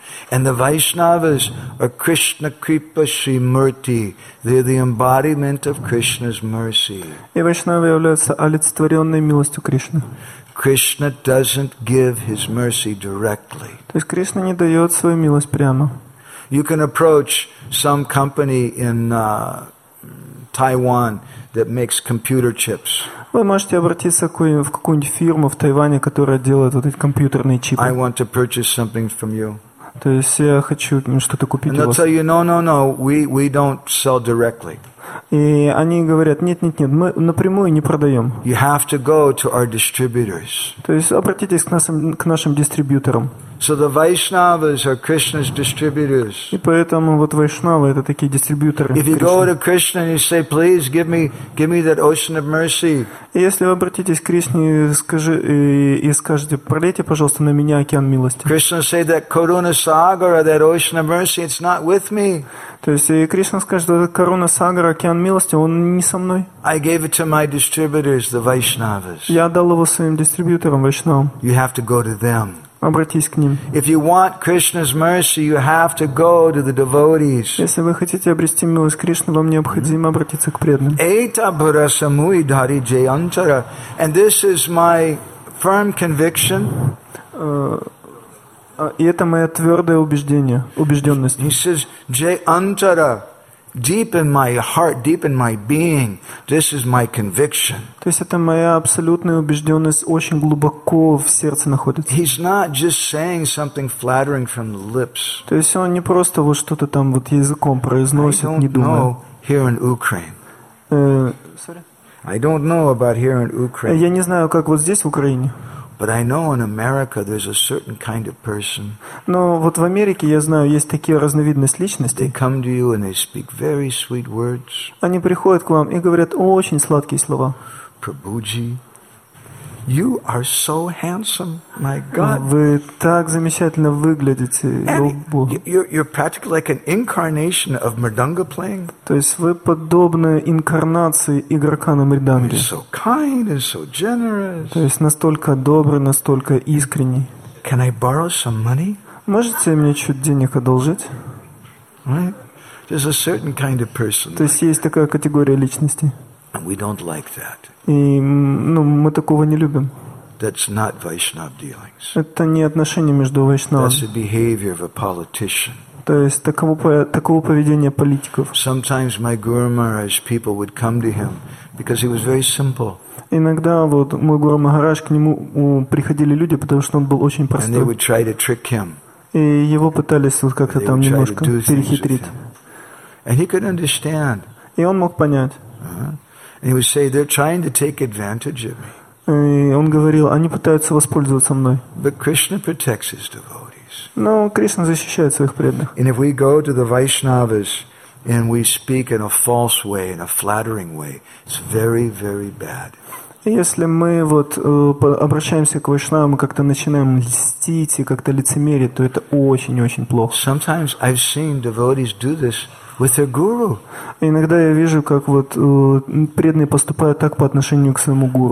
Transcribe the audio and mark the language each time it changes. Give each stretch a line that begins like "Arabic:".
English: And the Vaishnavas are Krishna Kripa Srimurti. They're the embodiment of Krishna's mercy.
Russian: И Вайшнавы являются олицетворенной милостью Кришны.
English: Krishna doesn't give his mercy directly.
Russian: То есть Кришна не дает свою милость прямо.
English: You can approach some company in Taiwan that makes computer chips.
Russian: Вы можете обратиться в какую-нибудь фирму в Тайване, которая делает вот эти компьютерные чипы.
English: I want to purchase something from you.
Russian: То есть я хочу что-то купить.
English: And they'll tell you, no, we don't sell directly.
Russian: И они говорят, нет, мы напрямую не продаем.
English: You have to go to our distributors.
Russian: То есть обратитесь к нашим дистрибьюторам.
English: So the Vaishnavas are Krishna's distributors.
Russian: И поэтому вот Вайшнавы это такие дистрибьюторы.
English: If you go to Krishna and you say, please give me that ocean of mercy.
Russian: И если вы обратитесь к Кришне и скажете, пролейте, пожалуйста, на меня океан милости.
English: Krishna say that Karuna Sagara, that ocean of mercy, it's not with me.
Russian: То есть и Кришна скажет, что Karuna Sagara, океан милости, он не со мной.
English: I gave it to my distributors, the Vaishnavas.
Russian: Я отдал его своим дистрибьюторам Вайшнавам.
English: You have to go to them.
Russian: обратись к ним.
English: If you want Krishna's mercy, you have to go to the devotees.
Russian: Если вы хотите обрести милость Кришны, вам необходимо обратиться к преданным.
Bangla: Eta bharasamui dhari jayantara,
English: and this is my firm conviction.
Russian: И это мое твердое убеждение, убежденность.
English: He says, jayantara. Deep in my heart, deep in my being, this is my conviction.
Russian: То есть это моя абсолютная убежденность очень глубоко в сердце находится.
English: He's not just saying something flattering from the lips.
Russian: То есть он не просто вот что-то там вот языком произносит, не думая.
English: Here in Ukraine. I don't know about here in Ukraine.
Russian: Я не знаю, как вот здесь в Украине.
English: But I know in America there's a certain kind of person.
Russian: Но вот в Америке я знаю, есть такие разновидности личностей.
English: They come to you and they speak very sweet words.
Russian: Они приходят к вам и говорят очень сладкие слова.
English: Prabhuji, you are so handsome, my God.
Russian: Вы так замечательно выглядите, о Бог.
English: You're practically like an incarnation of mridanga playing.
Russian: То есть вы подобны инкарнации игрока на мриданге.
English: So kind and so generous.
Russian: То есть настолько добрый, настолько искренний.
English: Can I borrow some money?
Russian: Можете мне чуть денег одолжить?
English: There's a certain kind of person.
Russian: То есть есть такая категория личности.
English: And we don't like that.
Russian: И, ну, мы такого не любим.
English: That's not Vaishnava dealings.
Russian: Это не отношения между вайшнавами.
English: That's the behavior of a politician.
Russian: То есть такого поведения политиков.
English: Sometimes my Guru Maharaj people would come to him because he was very simple.
Russian: Иногда вот мой Гуру Махарадж, к нему приходили люди, потому что он был очень простой.
English: And they would try to trick him.
Russian: И его пытались вот как-то там немножко перехитрить.
English: And he could understand.
Russian: И он мог понять.
English: And he would say, "They're trying to take advantage of me."
Russian: Он говорил, они пытаются воспользоваться мной.
English: But Krishna protects his devotees.
Russian: Но Кришна защищает своих преданных.
English: And if we go to the Vaishnavas and we speak in a false way, in a flattering way, it's very, very bad.
Russian: Если мы вот обращаемся к вайшнавам и как-то начинаем льстить и как-то лицемерить, то это очень-очень плохо.
English: Sometimes I've seen devotees do this. With their guru.
Russian: Иногда я вижу, как вот преданные поступают так по отношению к своему гуру.